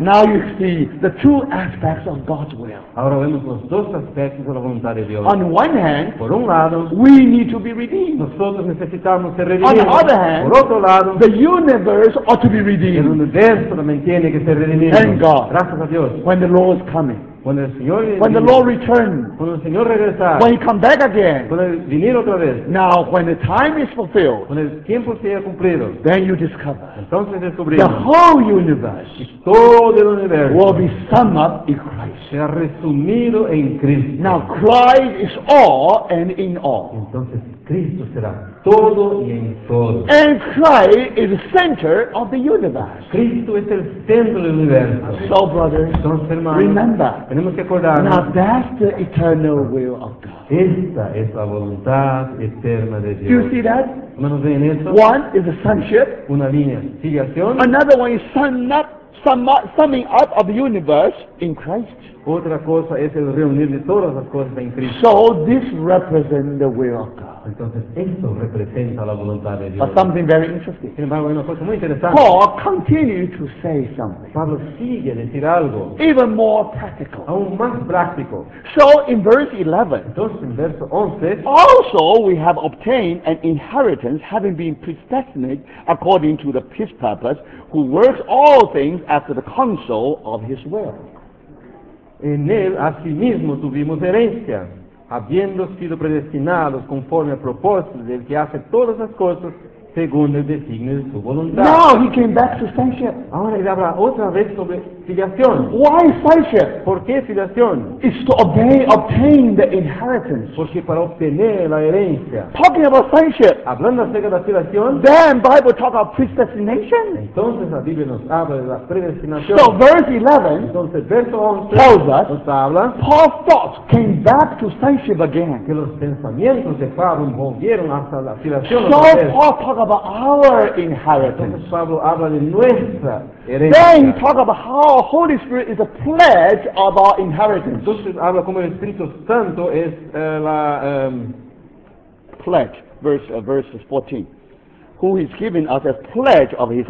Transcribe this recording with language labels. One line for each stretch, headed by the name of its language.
English: now you see the two aspects of God's will.
Spanish: Ahora vemos los dos aspectos de la voluntad de Dios.
English: On one hand,
Spanish: por un lado,
English: we need to be redeemed.
Spanish: Nosotros necesitamos ser redimidos.
English: On the other hand,
Spanish: por otro lado,
English: the universe ought to be redeemed.
Spanish: El universo también tiene que ser redimido.
English: Thank God.
Spanish: Gracias a Dios.
English: When the Lord is coming.
Spanish: Cuando el Señor viene,
English: when the Lord returns,
Spanish: cuando el Señor regresa,
English: when he comes back again,
Spanish: cuando viene otra vez,
English: now when the time is fulfilled,
Spanish: cuando el tiempo se ha cumplido,
English: then you discover,
Spanish: entonces descubrimos,
English: the whole universe,
Spanish: todo el universo,
English: will be summed up in Christ,
Spanish: será resumido en Cristo.
English: Now Christ is all and in all.
Spanish: Entonces Cristo será todo y en todo.
English: And Christ is the center of the universe.
Spanish: Cristo es el centro del universo.
English: So brothers,
Spanish: entonces, hermanos,
English: remember.
Spanish: Tenemos que acordarnos.
English: Now that's the eternal will of God.
Spanish: Esta es la voluntad eterna de Dios.
English: Do you see that?
Spanish: Hermanos, ¿ven eso?
English: One is a sonship.
Spanish: Una línea de filiación.
English: Another one is summing up of the universe in Christ.
Spanish: Otra cosa es el reunir de todas las cosas en Cristo.
English: So this represents the will of God.
Spanish: Entonces esto representa la voluntad de Dios.
English: But something very interesting.
Spanish: Sin embargo, una cosa muy interesante.
English: Paul continued to say something.
Spanish: Pablo sigue a decir algo.
English: Even more practical.
Spanish: Aún más práctico.
English: So in verse 11.
Spanish: Entonces en verso 11.
English: Also we have obtained an inheritance, having been predestinated according to the His purpose, who works all things after the counsel of His will.
Spanish: En él asimismo tuvimos herencia, habiendo sido predestinados conforme al propósito del que hace todas las cosas según el designio de su voluntad.
English: Now he came back to sonship.
Spanish: Ahora él habla otra vez sobre filiación.
English: Why sonship?
Spanish: ¿Por qué filiación?
English: It's to obtain the inheritance.
Spanish: Porque para obtener la herencia.
English: Talking about sonship.
Spanish: Hablando acerca de la filiación.
English: Then Bible talks about predestination.
Spanish: Entonces la Biblia nos habla de la predestinación.
English: So verse 11.
Spanish: Entonces verso 11.
English: Tells us.
Spanish: Nos habla.
English: Paul's thoughts came back to sonship again.
Spanish: Que los pensamientos de Pablo volvieron hasta la filiación.
English: So Paul talk about our inheritance.
Spanish: Entonces Pablo habla de nuestra herencia.
English: Then he talk about how Holy Spirit is a pledge of our inheritance.
Spanish: Entonces habla como el Espíritu Santo es la
English: pledge. Verse 14. Who is giving us a pledge of his